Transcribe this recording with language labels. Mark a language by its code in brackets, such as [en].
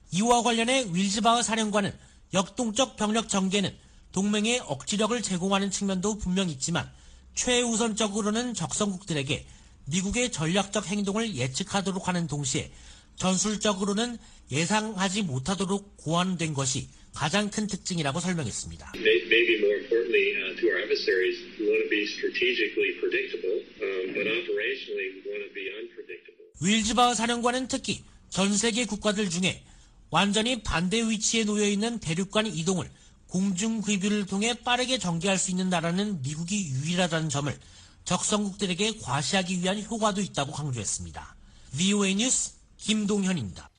[ko] 이와 관련해 윌즈바흐 사령관은 역동적 병력 전개는 동맹의 억지력을 제공하는 측면도 분명 있지만 최우선적으로는 적성국들에게 미국의 전략적 행동을 예측하도록 하는 동시에 전술적으로는 예상하지 못하도록 고안된 것이 가장 큰 특징이라고 설명했습니다. [en] Maybe more importantly to our adversaries, we want to be strategically predictable, but operationally we want to be unpredictable. [ko] 윌즈바흐 사령관은 특히 전 세계 국가들 중에 완전히 반대 위치에 놓여 있는 대륙간 이동을 공중 기비를 통해 빠르게 전개할 수 있는 나라는 미국이 유일하다는 점을 적성국들에게 과시하기 위한 효과도 있다고 강조했습니다. VOA 뉴스 김동현입니다.